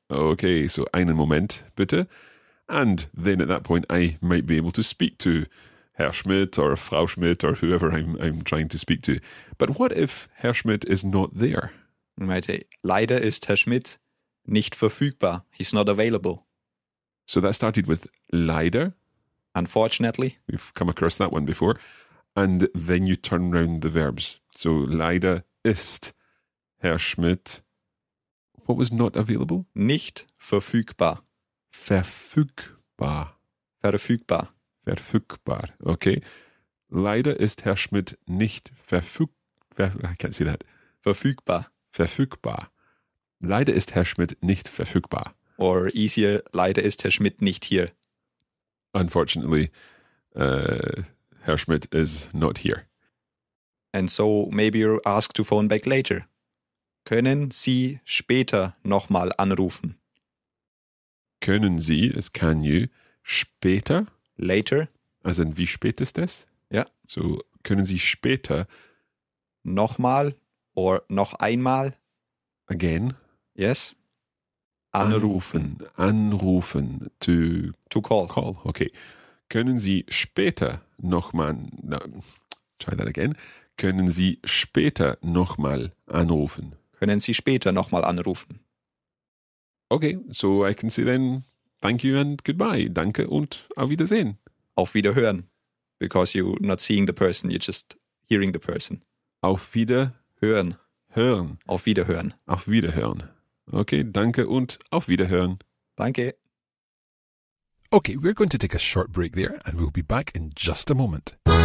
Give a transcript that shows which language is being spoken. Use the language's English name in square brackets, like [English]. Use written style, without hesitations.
[German] Okay, so einen Moment, bitte. [English] And then at that point, I might be able to speak to Herr Schmidt or Frau Schmidt or whoever I'm trying to speak to. But what if Herr Schmidt is not there? You might say, [German] leider ist Herr Schmidt nicht verfügbar. [English] He's not available. So that started with leider. Unfortunately. We've come across that one before. And then you turn around the verbs. So [German] leider... Ist [English] Herr Schmidt, what was not available? [German] Nicht verfügbar. Verfügbar. Verfügbar. Verfügbar, okay. Leider ist Herr Schmidt nicht verfügbar. [English] I can't see that. [German] Verfügbar. Verfügbar. Leider ist Herr Schmidt nicht verfügbar. [English] Or easier, [German] leider ist Herr Schmidt nicht hier. [English] Unfortunately, Herr Schmidt is not here. And so maybe you're asked to phone back later. [German] Können Sie später nochmal anrufen? Können Sie, [English] as can you, [German] später? [English] Later. As in [German] wie spät ist es? Ja. So können Sie später? Nochmal or noch einmal? [English] Again. Yes. [German] Anrufen. Anrufen. To [English] call. Call, okay. [German] Können Sie später nochmal, [English] no, try that again. [German] Können Sie später nochmal anrufen? Können Sie später nochmal anrufen? [English] Okay, so I can say then, thank you and goodbye. [German] Danke und auf Wiedersehen. Auf Wiederhören. [English] Because you're not seeing the person, you're just hearing the person. [German] Auf Wiederhören. Hören. Auf Wiederhören. Auf Wiederhören. Okay, danke und auf Wiederhören. Danke. [English] Okay, we're going to take a short break there and we'll be back in just a moment.